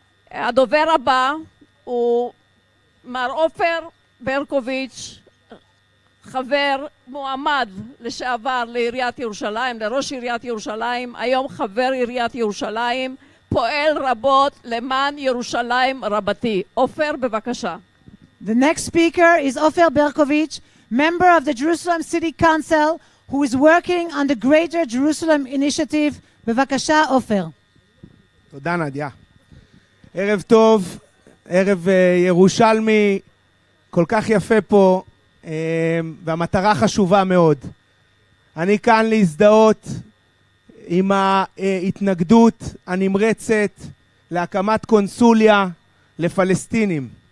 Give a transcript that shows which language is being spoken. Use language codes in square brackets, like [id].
[he] הדובר הבא הוא מר עופר ברקוביץ', חבר מועמד לשעבר לעיריית ירושלים, לראש עיריית ירושלים, היום חבר עיריית ירושלים, פועל רבות למען ירושלים רבתי. עופר, בבקשה. [en] The next speaker is עופר ברקוביץ', member of the Jerusalem City Council, who is working on the Greater Jerusalem Initiative. [he] בבקשה, עופר. תודה, נדיה. ערב טוב, ערב ירושלמי, כל כך יפה פה. והמטרה חשובה מאוד. אני כאן להזדהות עם ההתנגדות הנמרצת להקמת קונסוליה לפלסטינים.